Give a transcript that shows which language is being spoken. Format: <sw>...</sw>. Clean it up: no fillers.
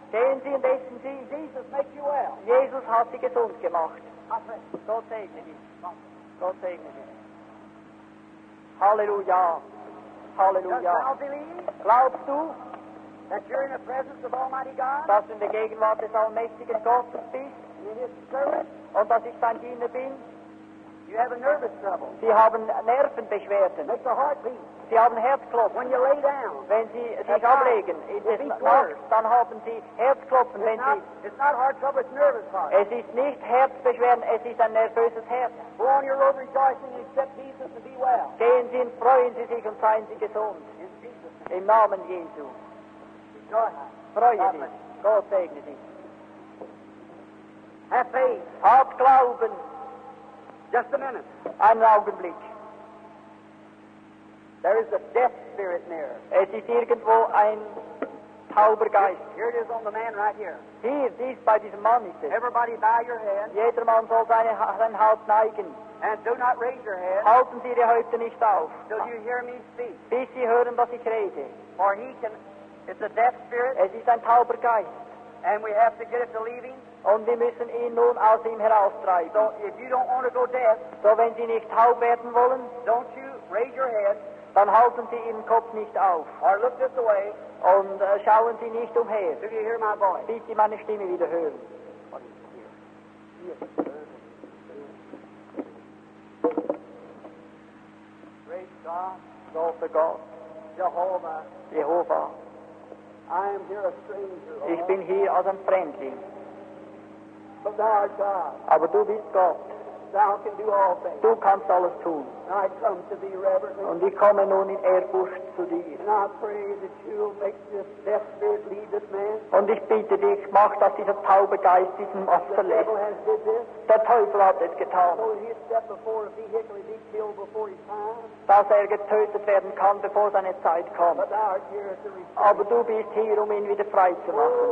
<de>Gehen Sie und essen Sie.</de> <en>Jesus makes you well.</en> <de>Jesus hat Sie gesund gemacht. Amen. Gott segne dich. Gott segne dich. Halleluja. Halleluja. Glaubst du?</de> <en>That you're in the presence of Almighty God?</en> <de>Dass du in der Gegenwart des Allmächtigen Gottes bist? Und dass ich dein Diener bin?</de> <en>You have a nervous trouble.</en> <de>Sie haben Nervenbeschwerden.</de> <en>Make the heart beat.</en> <de>Sie haben Herzklopfen.</de> <en>When you lay down,</en> <de>wenn Sie sich ablegen, dann haben Sie Herzklopfen.</de> <en>It's not heart trouble, it's nervous heart.</en> <de>Es ist nicht Herzbeschwerden, es ist ein nervöses Herz.</de> <en>Go on your road rejoicing and accept Jesus to be well.</en> <de>Gehen Sie und freuen Sie sich und seien Sie gesund.</de> <en>In</en> <de>Jesus. Im Namen Jesu. Freue dich. Gott segne dich.</de> <en>Have faith.</en> <de>Hab Glauben.</de> <en>Just a minute.</en> <de>Einen Augenblick.</de> <en>There is a deaf spirit near.</en> <de>Es ist irgendwo ein tauber Geist.</de> <en>Here it is on the man right here.</en> <de>Hier, dies bei diesem Mann ist es.</de> <en>Everybody bow your head.</en> <de>Jeder Mann soll sein Haupt neigen.</de> <en>And do not raise your head.</en> <de>Halten Sie Ihre Häupte nicht auf.</de> <en>Till you hear me speak.</en> <de>Bis Sie hören, was ich rede.</de> <en>For he can. It's a deaf spirit.</en> <de>Es ist ein tauber Geist.</de> <en>And we have to get it to leave him.</en> <de>Und wir müssen ihn nun aus ihm heraustreiben.</de> <en>So, if you don't want to go deaf,</en> <de>so wenn Sie nicht taub werden wollen,</de> <en>don't you raise your head,</en> <de>dann halten Sie Ihren Kopf nicht auf.</de> <en>Or look this way,</en> <de>und schauen Sie nicht umher.</de> <en>Do you hear my voice?</en> <de>Bitte meine Stimme wieder hören.</de> <en>Praise God. Lord God. Jehovah. Jehovah. I am here a stranger.</en> <de>Ich bin hier als ein Fremdling.</de> <en>But thou art God.</en> <de>Aber du bist Gott.</de> <en>Thou can do all things.</en> <de>Du kannst alles tun.</de> <en>And I come to thee reverently.</en> <de>Und ich komme nun in Ehrfurcht zu dir.</de> <en>And I pray that you will make this deaf spirit leave this man.</en> <de>Und ich bitte dich, mach, dass dieser taube Geist diesen Mann verlässt.</de> <en>The devil has did this.</en> <de>Der Teufel hat es getan.</de> <en>So he has stepped before a vehicle and be killed before his time.</en> <de>Dass er getötet werden kann, bevor seine Zeit kommt.</de> <en>But thou art here to restore.</en> <de>Aber du bist hier, um ihn wieder frei zu machen.</de>